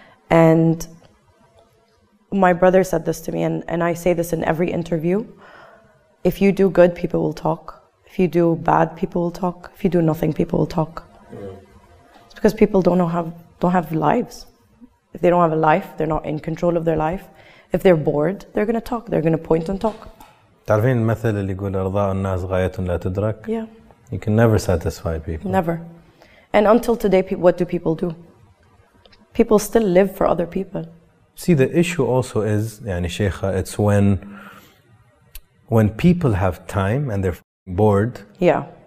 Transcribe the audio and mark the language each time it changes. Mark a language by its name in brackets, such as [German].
[English] And my brother said this to me, and I say this in every interview. If you do good, people will talk. If you do bad, people will talk. If you do nothing, people will talk. It's because people don't have lives. If they don't have a life, they're not in control of their life. If they're bored, they're going to talk. They're going to point and talk. [Arabic] تعرفين المثل اللي يقول أرضاء الناس غاية لا تدرك؟ [English] Yeah. You can never satisfy people. Never. And until today, what do people do? People still live for other people. See, the issue also is, يعني شيخة, it's when people have time and they're bored, yeah,